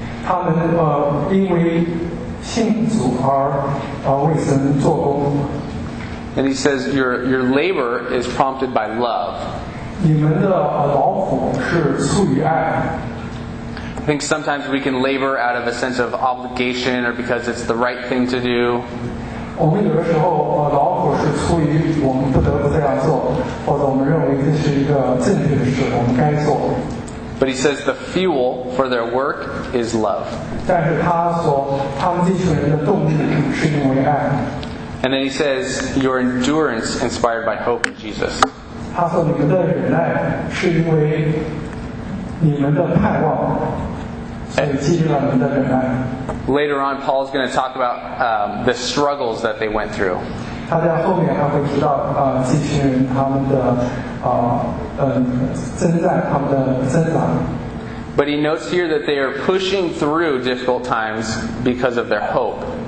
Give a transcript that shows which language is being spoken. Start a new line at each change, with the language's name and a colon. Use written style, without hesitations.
English: And he says, your labor is prompted by love.
Chinese: 你们的劳苦是出于爱。
English: I think sometimes we can labor out of a sense of obligation or because it's the right thing to do.
Chinese: 我们有的时候劳苦是出于我们不得不这样做，或者我们认为这是一个正确的事，我们该做。
English: But he says the fuel for their work is love.
Chinese: 但是他们这群人的动力是因为爱。
English: And then he says, your endurance inspired by hope in Jesus.
Chinese: 他说你们的忍耐是因为你们的盼望，所以激励了你们的忍耐。
English: Later on, Paul's going to talk about the struggles that they went through.
Chinese: 他在后面他会提到这群人他们的征战他们的增长。
English: But he notes here that they are pushing through difficult times because of their hope.